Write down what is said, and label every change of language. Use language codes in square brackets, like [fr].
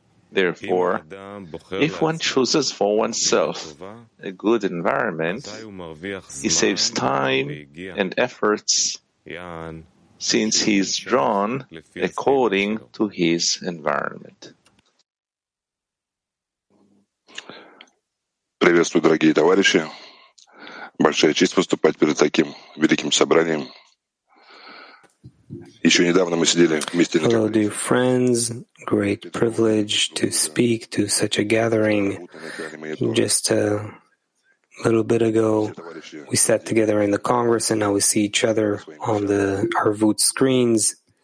[en] Therefore, if one chooses for oneself a good environment, he saves time and efforts, since he is drawn according to his environment. [ru] Приветствую, дорогие товарищи. Большая честь выступать перед таким великим собранием. [en] Hello, dear friends. Great privilege to speak to such a gathering. Just a little bit ago, we sat together in the Congress, and now we see each other on the Arvut screens.